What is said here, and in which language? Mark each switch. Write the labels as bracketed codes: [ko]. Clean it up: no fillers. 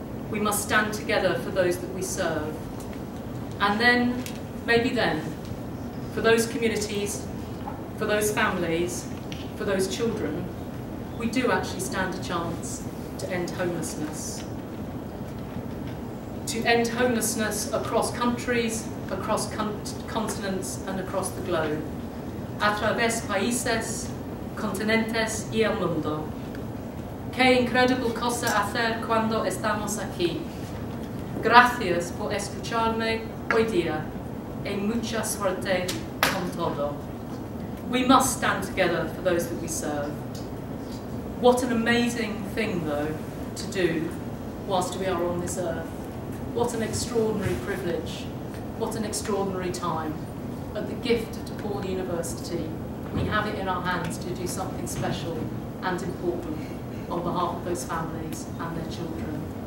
[en] We must stand together for those that we serve. And then, maybe then, for those communities, for those families, for those children, we do actually stand a chance to end homelessness. To end homelessness across countries, across continents, and across the globe. [es] A través países, continentes y el mundo. Qué increíble cosa hacer cuando estamos aquí. Gracias por escucharme hoy día. Y mucha suerte con todo. [en] We must stand together for those that we serve. What an amazing thing, though, to do whilst we are on this earth. What an extraordinary privilege. What an extraordinary time. But the gift of DePaul University, we have it in our hands to do something special and important on behalf of those families and their children.